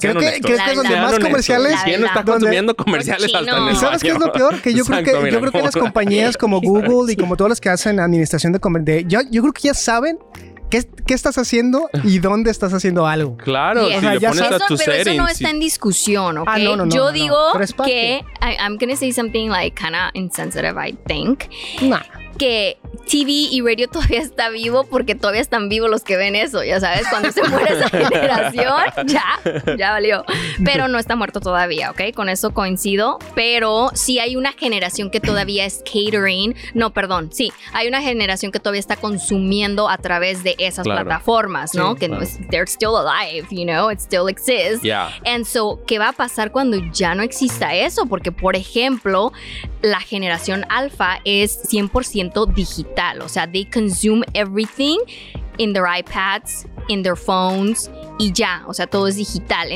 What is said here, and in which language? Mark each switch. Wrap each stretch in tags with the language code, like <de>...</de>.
<es>sean honestos. ¿Crees que es donde más comerciales? ¿Quién no está consumiendo comerciales hasta en el baño? ¿Y sabes qué es lo peor? Que yo creo que las compañías como Google y como todas las que hacen administración de comercio, yo creo que ya saben ¿Qué estás haciendo y dónde estás haciendo algo? Claro, yes. Si le pones eso, a tu pero eso no está en discusión, ¿ok? Ah, no, yo digo no.</es> <en>Que I'm gonna say something like kind of insensitive, I think. Nah.</en> <es>Que TV y radio todavía está vivo porque todavía están vivos los que ven eso, ya sabes, cuando se muere esa generación, ya valió. Pero no está muerto todavía, ¿ok? Con eso coincido, pero sí hay una generación que todavía es catering, no, perdón, sí, hay una generación que todavía está consumiendo a través de esas plataformas, ¿no? Sí, que claro.</es> <en>No, they're still alive, you know, it still exists. Yeah. And so,</en> <es>¿qué va a pasar cuando ya no exista eso? Porque, por ejemplo, la generación alfa es 100% digital, o sea,</es> <en>they consume everything in their iPads, in their phones,</en> <es>y ya, o sea, todo es digital.</es>